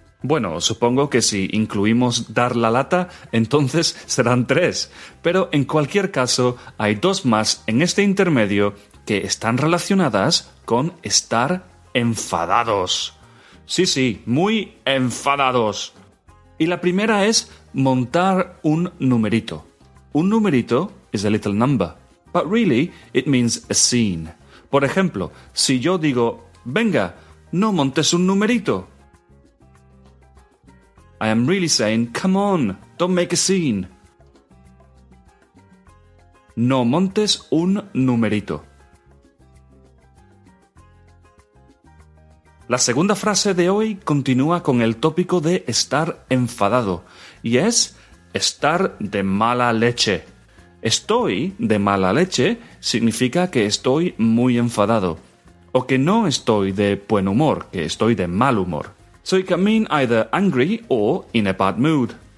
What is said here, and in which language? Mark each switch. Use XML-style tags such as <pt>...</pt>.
<es>Bueno, supongo que si incluimos dar la lata, entonces serán tres. Pero en cualquier caso, hay dos más en este intermedio que están relacionadas con estar enfadados. Sí, sí, muy enfadados. Y la primera es montar un numerito.</es> <en>Un numerito is a little number, but really it means a scene.</en> <es>Por ejemplo, si yo digo, venga, no montes un numerito.</es> <en>I am really saying, come on, don't make a scene.</en> <es>No montes un numerito. La segunda frase de hoy continúa con el tópico de estar enfadado, y es estar de mala leche. Estoy de mala leche significa que estoy muy enfadado, o que no estoy de buen humor, que estoy de mal humor.</es> <en>So it can mean either angry or in a bad mood.</en>